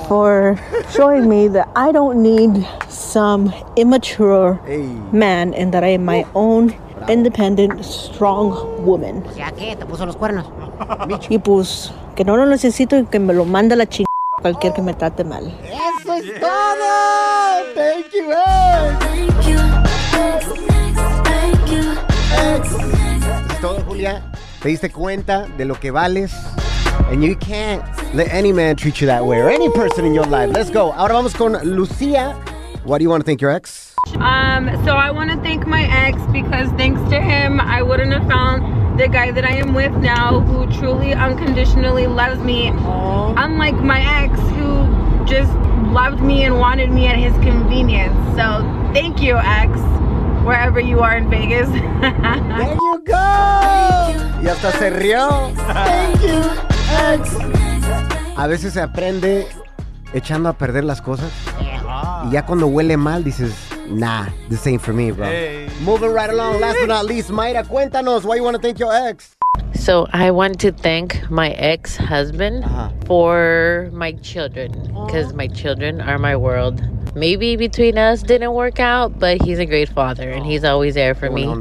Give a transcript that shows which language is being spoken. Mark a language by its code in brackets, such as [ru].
[en] For showing me that I don't need some immature man and that I am my own independent, strong woman. [es] ¿Ya qué? ¿Te puso los cuernos? Y pues, que no lo necesito y que me lo manda la chingada cualquier que me trate mal. ¡Eso es todo! [en] ¡Thank you, ex! ¡Thank you, ex! ¡Thank you, ex! [es] ¿Es todo, Julia? ¿Te diste cuenta de lo que vales? [en] And you can't let any man treat you that way or any person in your life. Let's go. [es] Ahora vamos con Lucía. [en] What do you want to thank your ex? So I want to thank my ex because thanks to him, I wouldn't have found the guy that I am with now who truly unconditionally loves me. Aww. Unlike my ex who just loved me and wanted me at his convenience. So thank you, ex, wherever you are in Vegas. There you go. [es] Y hasta se rió. [en] Thank you, ex. [es] A veces se aprende echando a perder las cosas. Y ya cuando huele mal, dices, [en] nah, this ain't for me, bro. Hey. Moving right along. Last but not least, Mayra, [es] cuéntanos, [en] why you want to thank your ex? So I want to thank my ex-husband for my children, because my children are my world. maybe between us didn't work out, but he's a great father and he's always there for me.